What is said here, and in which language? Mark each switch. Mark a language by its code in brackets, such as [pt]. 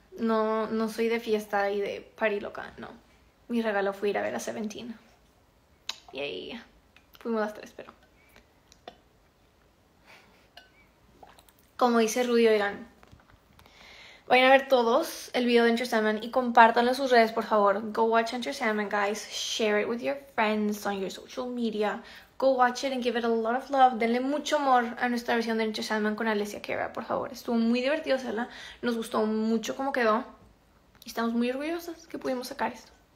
[es] No, no soy de fiesta y de [en] party loca, [es] no. Mi regalo fue ir a ver a Seventeen. Y ahí fuimos las tres, pero. Como dice Rudy, oigan. Vayan a ver todos el video de Enter Sandman y compártanlo en sus redes, por favor. [en] Go watch Enter Sandman, guys. Share it with your friends on your social media. Go watch it and give it a lot of love. [es] Denle mucho amor a nuestra versión de Enter Sandman con Alessia Cara, por favor. Estuvo muy divertido hacerla. Nos gustó mucho cómo quedó. Y estamos muy orgullosas que pudimos sacar esto.